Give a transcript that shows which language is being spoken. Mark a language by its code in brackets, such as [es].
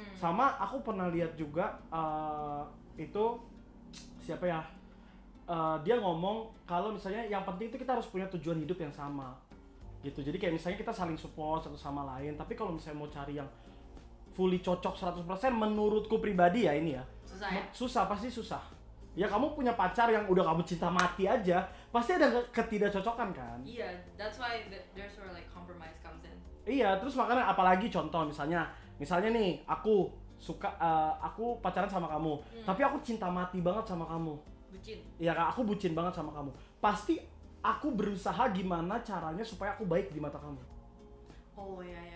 [id] Sama aku pernah lihat juga itu siapa ya dia ngomong kalau misalnya yang penting itu kita harus punya tujuan hidup yang sama. gitu. Jadi kayak misalnya kita saling support satu sama lain, tapi kalau misalnya mau cari yang fully cocok 100% menurutku pribadi ya ini ya. Susah ya? Susah, pasti susah. Ya kamu punya pacar yang udah kamu cinta mati aja, pasti ada ketidakcocokan kan? [en] Iya, that's why there's where like compromise comes in. [id] Iya, terus makanya apalagi contoh misalnya, misalnya nih aku suka aku pacaran sama kamu, tapi aku cinta mati banget sama kamu. Bucin. Iya, Kak, aku bucin banget sama kamu. Pasti aku berusaha gimana caranya supaya aku baik di mata kamu. Oh iya